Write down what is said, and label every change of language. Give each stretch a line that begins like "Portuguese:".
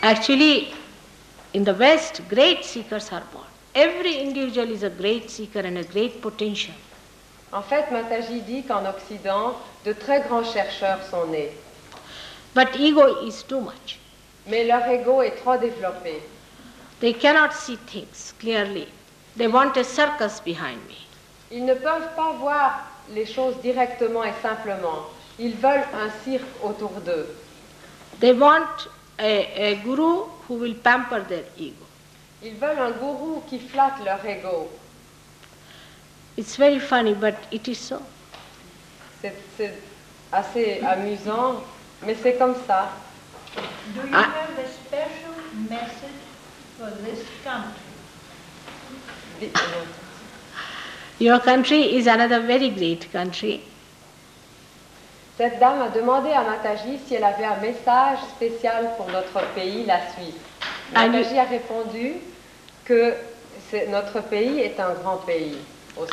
English: Actually, in the West, great seekers are born. Every individual is a great seeker and a great potential.
French: En fait, Mataji dit qu'en Occident, de très grands chercheurs sont nés.
English: But ego is too much.
French: Mais leur ego est trop développé.
English: They cannot see things clearly. They want a circus behind me.
French: Ils ne peuvent pas voir les choses directement et simplement. Ils veulent un cirque autour d'eux.
English: They want a guru who will pamper their ego.
French: Ils veulent un gourou qui flatte leur ego.
English: It's very funny, but it is so.
French: C'est assez amusant. Mais c'est comme ça.
English: Do you have a special message for this country? Your country is another very great country.
French: Cette dame a demandé à Mataji si elle avait un message spécial pour notre pays, la Suisse. Mataji a répondu que notre pays est un grand pays aussi.